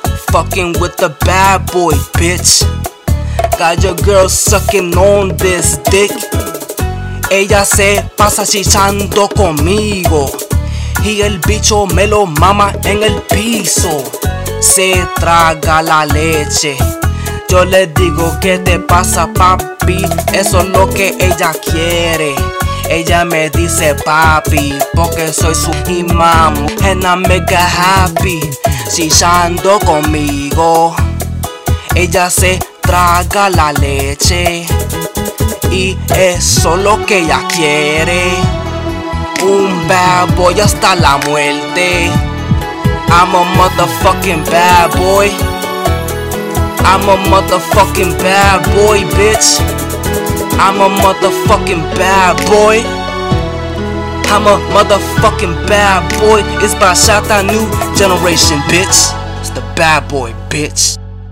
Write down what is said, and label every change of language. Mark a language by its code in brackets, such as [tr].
[en] Fucking with the bad boy, bitch. Got your girl sucking on this dick. [es] Ella se pasa chichando conmigo y el bicho me lo mama en el piso. Se traga la leche. Yo le digo, ¿qué te pasa, papi? Eso es lo que ella quiere. Ella me dice papi, porque soy su imam. [en] And I make her happy, [es] chichando conmigo. Ella se traga la leche. Y eso es lo que ella quiere. Un bad boy hasta la muerte. [en] I'm a motherfucking bad boy. I'm a motherfucking bad boy, bitch. I'm a motherfucking bad boy. I'm a motherfucking bad boy. It's Bachata new generation, bitch. It's the bad boy, bitch.